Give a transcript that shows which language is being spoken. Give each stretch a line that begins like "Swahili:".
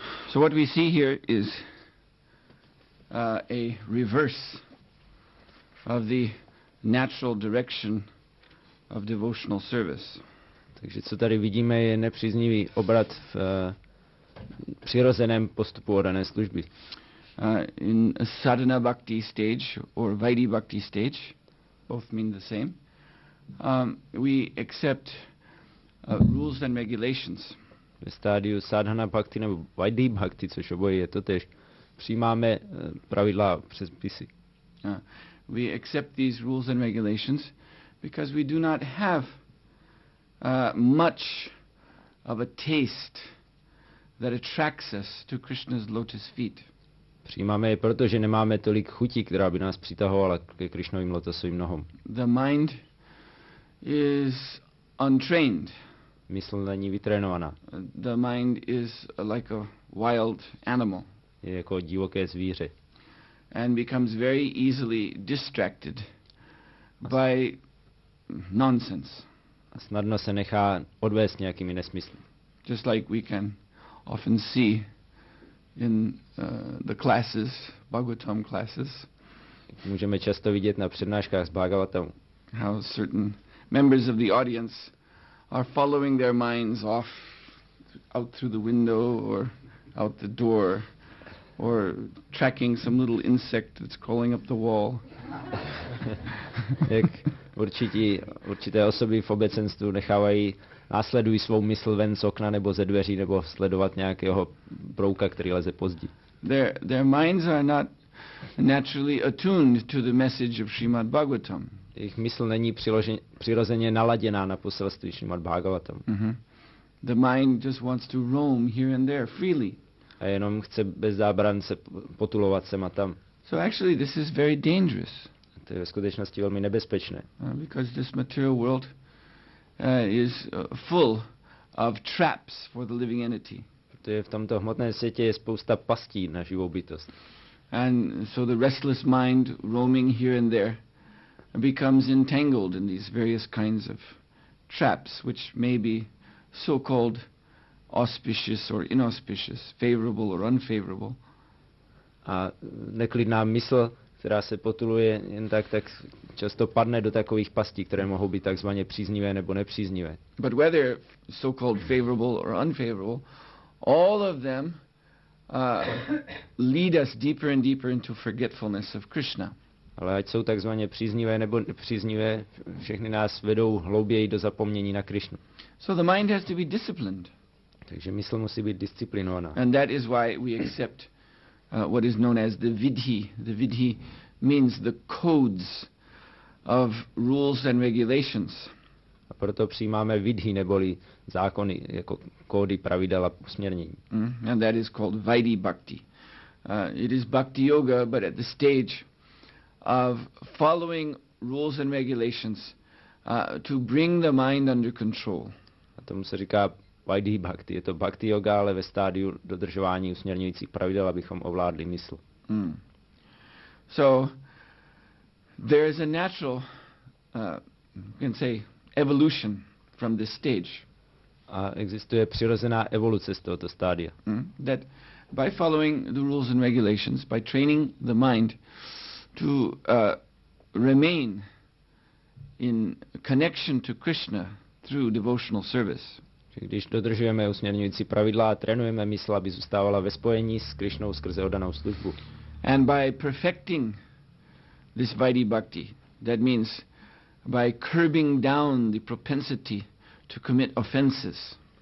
English: So what we see here is a reverse of the natural direction of devotional service.
Czech: Takže co tady vidíme je nepříznivý obrat v přirozeném postupu odané služby.
English: In sadhana bhakti stage or vaidhi bhakti stage, both mean the same. We accept rules and regulations.
Czech: Ve stádiu sadhana bhakti nebo vaidhi bhakti, což oboje je totéž, přijímáme pravidla a předpisy.
English: We accept these rules and regulations because we do not have much of a taste that attracts us to Krishna's lotus feet.
Czech: Přijímáme je proto, že nemáme tolik chuti, která by nás přitahovala ke Krišnovým lotosovým nohům.
English: The mind is untrained.
Czech: Mysl není vytrénovaná.
English: The mind is like a wild animal.
Czech: Je jako divoké zvíře.
English: And becomes very easily distracted by nonsense.
Czech: A snadno se nechá odvést nějakými nesmysly.
English: Just like we can often see in the classes, Bhagavatam classes.
Czech: Můžeme často vidět na přednáškách z Bhagavatam.
English: How certain members of the audience are following their minds off out through the window or out the door or tracking some little insect that's crawling up the wall.
Czech: Jak určité osoby v obecenstvu nechávají následují svou mysl ven z okna nebo ze dveří nebo sledovat nějakého brouka, který leze po zdi.
English: Their minds are not naturally attuned to the message of Srimad Bhagavatam.
Czech: Jejich mysl není přirozeně naladěná na poselství Srimad Bhagavatam.
English: The mind just wants to roam here and there freely.
Czech: A jenom chce bez zábran se potulovat sem a tam.
English: So actually this is very dangerous.
Czech: To je ve skutečnosti velmi nebezpečné.
English: Because this material world is full of traps for the living entity.
Czech: Protože v tomto hmotném světě je spousta pastí na živou bytost.
English: And so the restless mind roaming here and there becomes entangled in these various kinds of traps, which may be so-called auspicious or inauspicious, favorable or unfavorable.
Czech: A neklidná mysl, která se potuluje jen tak často padne do takových pastí, které mohou být takzvaně příznivé nebo nepříznivé.
English: But whether so-called favorable or unfavorable, all of them lead us deeper and deeper into forgetfulness of Krishna.
Czech: Ale ať jsou takzvaně příznivé nebo nepříznivé, všechny nás vedou hlouběji do zapomnění na Krišnu.
English: So the mind has to be disciplined.
Czech: Takže mysl musí být disciplinovaná.
English: And that is why we accept what is known as the vidhi. The vidhi means the codes of rules and regulations.
Czech: A proto přijímáme vidhi neboli zákony jako kódy pravidel a směrnění.
English: And that is called vaidhi bhakti. It is bhakti yoga, but at the stage of following rules and regulations to bring the mind under control.
Czech: A tomu se říká vaidhi bhakti. Je to bhakti yoga, ale ve stádiu dodržování usměrňujících pravidel, abychom ovládli mysl.
English: So there is a natural you can say evolution from this stage.
Czech: A existuje přirozená evoluce z tohoto stádia.
English: That by following the rules and regulations, by training the mind to remain in connection to Krishna through devotional service.
Czech: Když dodržujeme usměrňující pravidla a trénujeme mysl, aby zůstávala ve spojení s Krišnou skrze oddanou službu.
English: And by perfecting this vaidhi bhakti, that means by curbing down the propensity to commit offenses.